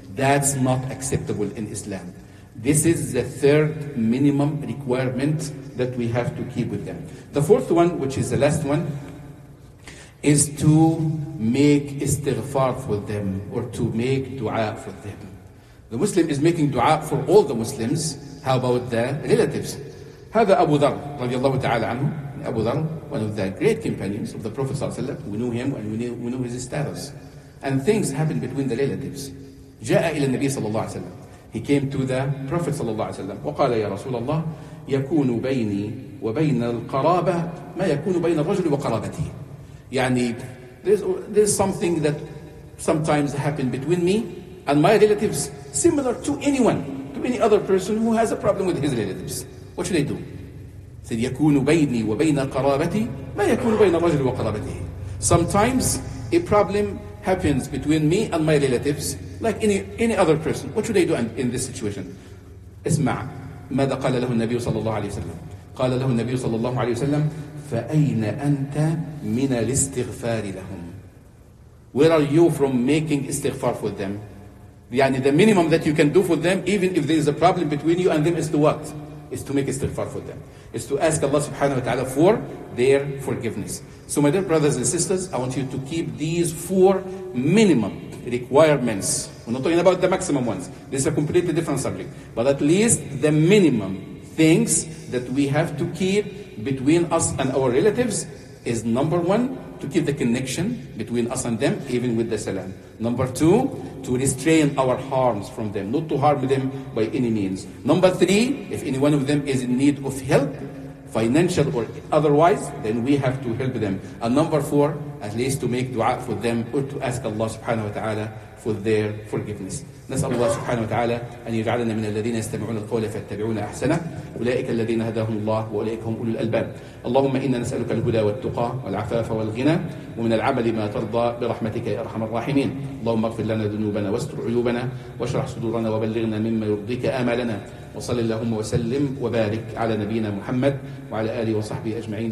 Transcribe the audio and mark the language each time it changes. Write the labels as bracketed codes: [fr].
[en] That's not acceptable in Islam. This is the third minimum requirement that we have to keep with them. The fourth one, which is the last one, is to make istighfar for them or to make dua for them. The Muslim is making dua for all the Muslims. How about the relatives? [ar] هذا أبو ذر رضي الله تعالى عنه. [en] Abu Dharr, one of the great companions of the Prophet ﷺ, we knew him and we knew his status. And things happened between the relatives. [ar] جاء إلى النبي صلى الله عليه وسلم. [en] He came to the Prophet صلى الله عليه وسلم. [ar] وقال يا رسول الله يكون بيني وبين القرابة ما يكون بين الرجل وقرابته. [en] يعني there's something that sometimes happened between me and my relatives similar to anyone, to any other person who has a problem with his relatives. What should I do? [ar] سيد يكون بيني وبين قرابتي ما يكون بين الرجل وقرابته. [en] Sometimes a problem happens between me and my relatives like any other person. What should I do in this situation? [ar] اسمع ماذا قال له النبي صلى الله عليه وسلم. قال له النبي صلى الله عليه وسلم فأين أنت من الاستغفار لهم. [en] Where are you from making استغفار for them? يعني the minimum that you can do for them even if there is a problem between you and them is to what? Is to make istighfar for them. Is to ask Allah subhanahu wa ta'ala for their forgiveness. So my dear brothers and sisters, I want you to keep these four minimum requirements. We're not talking about the maximum ones. This is a completely different subject. But at least the minimum things that we have to keep between us and our relatives is number one, to keep the connection between us and them, even with the salam. Number two, to restrain our harms from them, not to harm them by any means. Number three, if any one of them is in need of help, financial or otherwise, then we have to help them. And number four, at least to make dua for them or to ask Allah subhanahu wa ta'ala for their forgiveness. [ar] نسأل الله سبحانه وتعالى أن يجعلنا من الذين يستمعون القول فاتبعون أحسنه أولئك الذين هداهم الله وأولئك هم أولو الألباب. اللهم إنا نسألك الهدى والتقى والعفاف والغنى ومن العمل ما ترضى برحمتك يا أرحم الراحمين. اللهم اغفر لنا ذنوبنا واستر عيوبنا واشرح صدورنا وبلغنا مما يرضيك آمالنا وصل اللهم وسلم وبارك على نبينا محمد وعلى آله وصحبه أجمعين.